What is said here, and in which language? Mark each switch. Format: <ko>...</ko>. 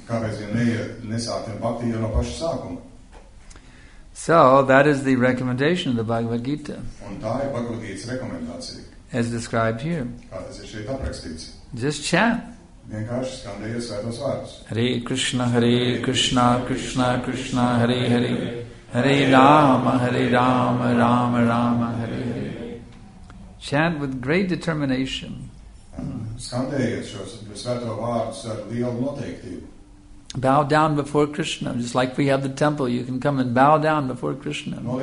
<lv>Kāpēc gan nesākt ar bhakti jau no paša sākuma?</lv> <en>So, that is the recommendation of the Bhagavad Gita.</en> <lv>Un tā ir Bhagavad Gītas rekomendācija.</lv> <en>As described here.</en> <lv>Kā tas ir šeit aprakstīts?</lv> <en>Just chant.</en> <lv>Vienkārši skandējies svētos vārdus.</lv> <sa>Hare Krishna, Krishna, Krishna, Hare Hare. Hare Rama, Hare Rama, Rama, Rama, Hare Hare.</sa> <en>Chant with great determination.</en> <lv>Skandējies šos svēto vārdus ar lielu noteiktību.</lv> <en>Bow down before Krishna, just like we have the temple, you can come and bow down before Krishna.</en>